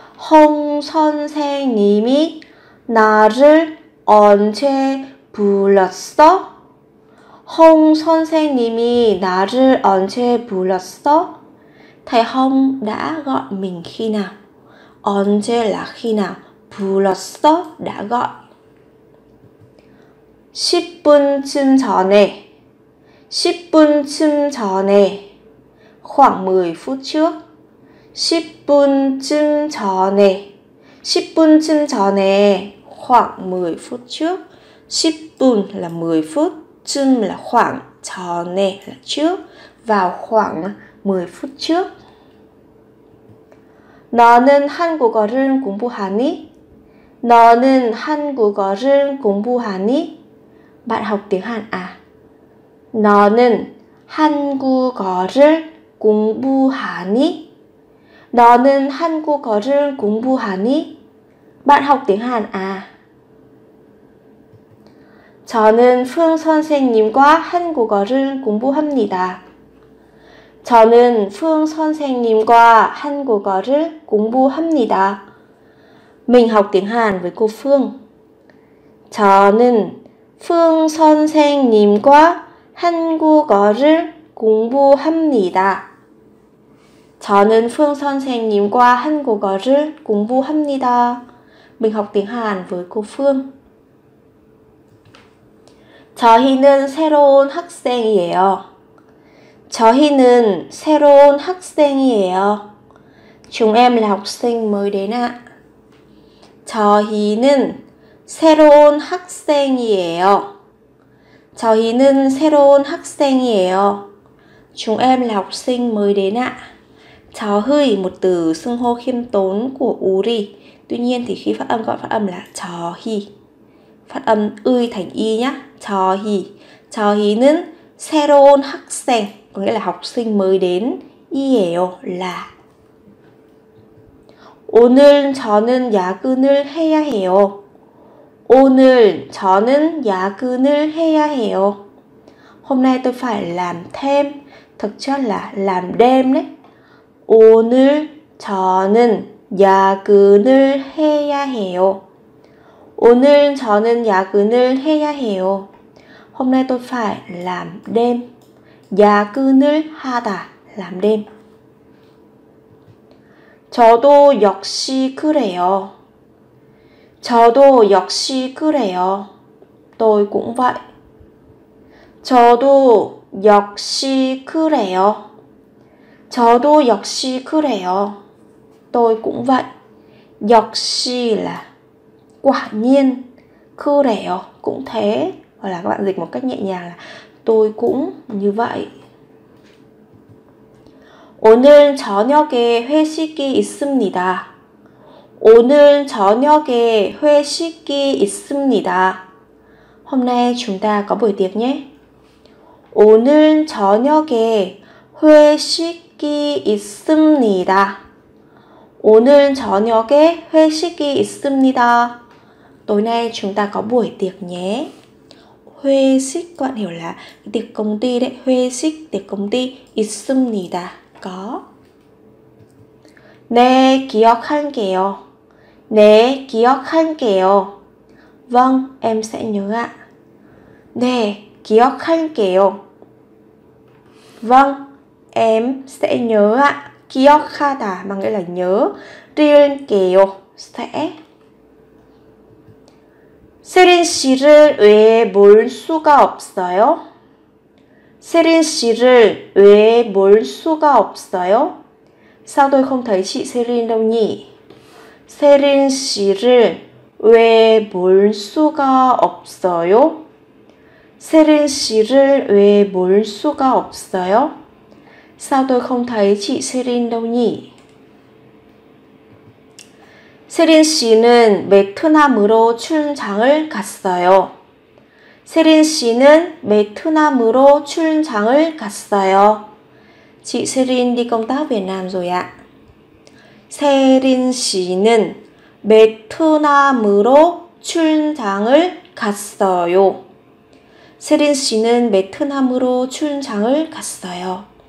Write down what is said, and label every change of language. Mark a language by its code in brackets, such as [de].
[ko] 홍 선생님이 나를 언제 불렀어? 홍 선생님이 나를 언제 불렀어? [vi] Thầy Hồng đã gọi mình khi nào? 언제 là khi nào? 불렀어? Đã gọi. [ko] 10분쯤 전에 10분쯤 전에 [vi] khoảng 10 phút trước 10분쯤 전에 10분쯤 전에 khoảng 10 phút trước 10분 là 10 phút 쯤 là khoảng 전에 là trước vào khoảng 10 phút trước [ko] 너는 한국어를 공부하니? 너는 한국어를 공부하니? [vi] Bạn học tiếng Hàn à? [ko] 너는 한국어를 공부하니? 너는 한국어를 공부하니? [vi] Bạn học tiếng Hàn à? [ko] 저는 풍 선생님과 한국어를 공부합니다. 저는 풍 선생님과 한국어를 공부합니다. [vi] Mình học tiếng Hàn với cô Phương. [ko] 저는 풍 선생님과 한국어를 공부합니다. 저는 풍 선생님과 한국어를 공부합니다. [vi] Mình học tiếng Hàn với cô Phương. [ko] 저희는 새로운 학생이에요. 저희는 새로운 학생이에요. [vi] 중 em là học sinh mới đến ạ. [ko] 저희는 새로운 학생이에요. 저희는 새로운 학생이에요. [vi] 중 em là học sinh mới đến ạ. 저희 một từ xưng hô khiêm tốn của 우리. Tuy nhiên thì khi phát âm gọi phát âm là 저희. Phát âm 의 thành y nhá. 저희. [ko] 저희는 새로운 학생. [vi] Có nghĩa là học sinh mới đến. 이에요 là. [ko] 오늘 저는 야근을 해야 해요. 오늘 저는 야근을 해야 해요. [vi] Hôm nay tôi phải làm thêm. Thực chất là làm đêm đấy. [ko] 오늘 저는 야근을 해야 해요. 오늘 저는 야근을 해야 해요. [vi] Hôm nay tôi phải làm đêm. [ko] 야근을 하다. [vi] Làm đêm. [ko] 저도 역시 그래요. 저도 역시 그래요. [vi] Tôi cũng vậy. [ko] 저도 역시 그래요. 저도 역시 그래요. [vi] Tôi cũng vậy. 역시 là quả nhiên. 그래요 cũng thế. Hoặc là các bạn dịch một cách nhẹ nhàng là tôi cũng như vậy. [ko] 오늘 저녁에 회식이 있습니다. 오늘 저녁에 회식이 있습니다. [vi] Hôm nay chúng ta có buổi tiệc nhé. [ko] 오늘 저녁에 회식이 있습니다. 오늘 저녁에 회식이 있습니다. [vi] Tối nay chúng ta có buổi tiệc nhé. 회식 các bạn hiểu là tiệc công ty đấy. 회식 tiệc công ty 있습니다. [ko] Có. 네, 기억할게요. 네, 기억할게요. [vi] Vâng, em sẽ nhớ ạ. [ko] 네, 기억할게요. [vi] Vâng, em sẽ nhớ ạ. 기억하다 mà nghĩa là nhớ. [ko] 기억할게요. Sẽ. 세린 씨를 왜 볼 수가 없어요? 세린 씨를 왜 볼 수가 없어요? [vi] Sao tôi không thấy chị Serin đâu nhỉ? [ko] 세린 씨를 왜 볼 수가 없어요? 세린 씨를 왜 볼 수가 없어요? [vi] Sao tôi không thấy chị Serin đâu nhỉ? [ko] 세린 씨는 베트남으로 출장을 갔어요. 세린 씨는 베트남으로 출장을 갔어요. [vi] Chị Serin đi công tác Việt Nam rồi ạ. [ko] 세린 씨는 베트남으로 출장을 갔어요. 세린 씨는 베트남으로 출장을 갔어요.